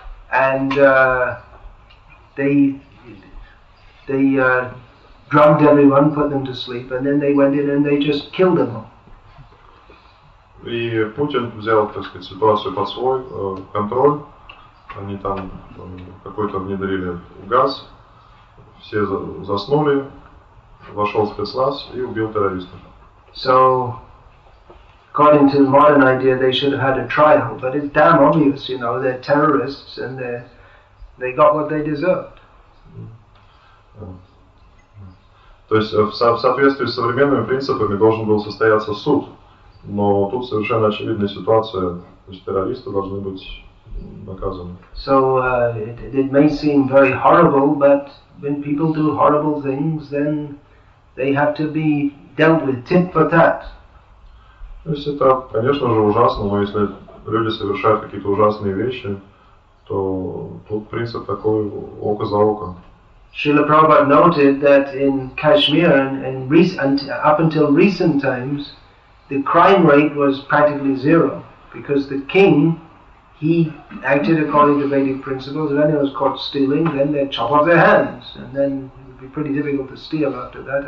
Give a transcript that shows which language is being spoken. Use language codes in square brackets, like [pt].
[en] And they drugged everyone, put them to sleep, and then they went in and they just killed them all. [ru] И Путин взял, так сказать, ситуацию под свой контроль. Они там какой-то внедрили газ, все заснули, вошел спецназ и убил террористов. [en] So, according to the modern idea, they should have had a trial, but it's damn obvious, you know, they're terrorists and they got what they deserved. [ru] То есть в соответствии с современными принципами должен был состояться суд. Но тут совершенно очевидная ситуация, то есть террористы должны быть наказаны. [en] So it may seem very horrible, but when people do horrible things, then they have to be dealt with tit for tat. [ru] То есть это, конечно же, ужасно, но если люди совершают какие-то ужасные вещи, то тут принцип такой око за око. [en] Srila Prabhupada noted that in Kashmir and up until recent times, the crime rate was practically zero because the king, he acted according to Vedic principles. If anyone was caught stealing, then they'd chop off their hands, and then it would be pretty difficult to steal after that.